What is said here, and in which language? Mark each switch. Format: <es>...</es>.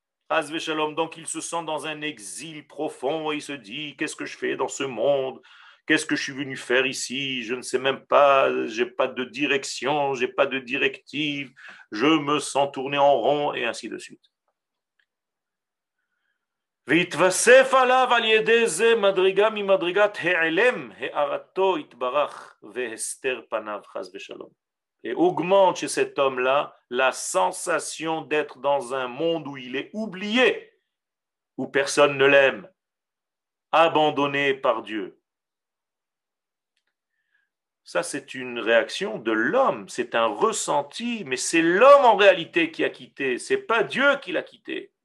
<fr>Chas Veshalom, donc il se sent dans un exil profond et il se dit, qu'est-ce que je fais dans ce monde? Qu'est-ce que je suis venu faire ici? Je ne sais même pas, je n'ai pas de direction, je n'ai pas de directive, je me sens tourné en rond et ainsi de suite.</fr> <he>ויתווסף עליו על ידי זה מדרגה ממדרגת העלם, הערתו התברך והסתר פניו חס ושלום.</he> <fr>Et augmente chez cet homme-là la sensation d'être dans un monde où il est oublié, où personne ne l'aime, abandonné par Dieu. Ça, c'est une réaction de l'homme, c'est un ressenti, mais c'est l'homme en réalité qui a quitté, c'est pas Dieu qui l'a quitté.</fr>